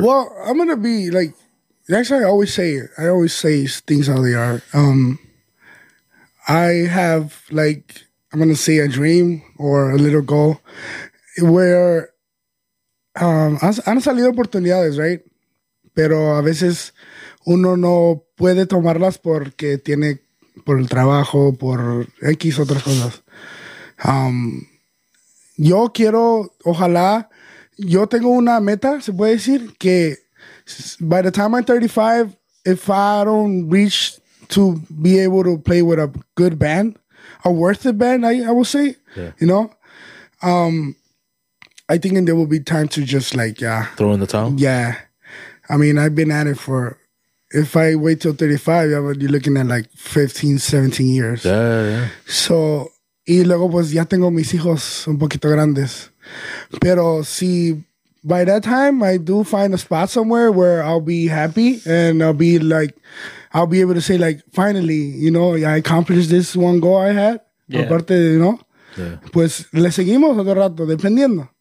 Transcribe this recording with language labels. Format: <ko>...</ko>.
<en>Well, I'm going to be like, actually, I always say things how they are. I have like, I'm going to say a dream or a little goal where</en> <es>han salido oportunidades,</es> <en>right?</en> <es>Pero a veces uno no puede tomarlas porque tiene por el trabajo, por X otras cosas. Yo quiero, ojalá, yo tengo una meta, se puede decir, que</es> <en>by the time I'm 35, if I don't reach to be able to play with a good band, a worth it band, I will say, yeah. You know, I think there will be time to just like, yeah. Throw in the towel? Yeah. I mean, I've been at it for, if I wait till 35, you're looking at like 15, 17 years. Yeah, yeah.</en> <es>So, y luego pues ya tengo mis hijos un poquito grandes. Pero si</es> <en>by that time I do find a spot somewhere where I'll be happy and I'll be like, I'll be able to say like, finally, you know, I accomplished this one goal I had.</en> <es>Yeah. Aparte de,</es> <en>you know,</en> <es>yeah. Pues le seguimos otro rato, dependiendo.</es>